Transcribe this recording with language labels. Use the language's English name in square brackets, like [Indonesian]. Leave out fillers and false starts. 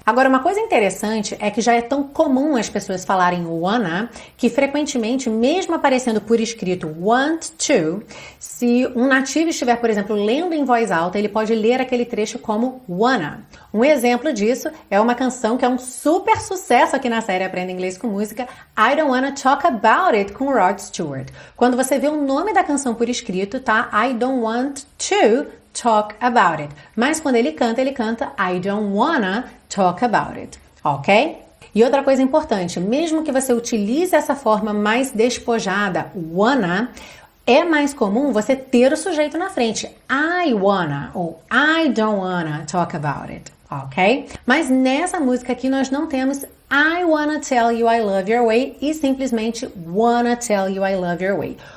[Portuguese] Agora, uma coisa interessante é que já é tão comum as pessoas falarem wanna que frequentemente, mesmo aparecendo por escrito want to, se um nativo estiver, por exemplo, lendo em voz alta, ele pode ler aquele trecho como wanna. Um exemplo disso é uma canção que é um super sucesso aqui na série Aprenda Inglês com Música, I Don't Wanna Talk About It, com Rod Stewart. Quando você vê o nome da canção por escrito, tá? [English] I don't want to talk about it. [Portuguese] Mas quando ele canta [English] I don't wanna talk about it, ok? [Portuguese] E outra coisa importante, mesmo que você utilize essa forma mais despojada, wanna, é mais comum você ter o sujeito na frente, I wanna ou [English] I don't wanna talk about it, [Portuguese] ok? Mas nessa música aqui nós não temos [English] I wanna tell you I love your way [Portuguese] e simplesmente [English] wanna tell you I love your way.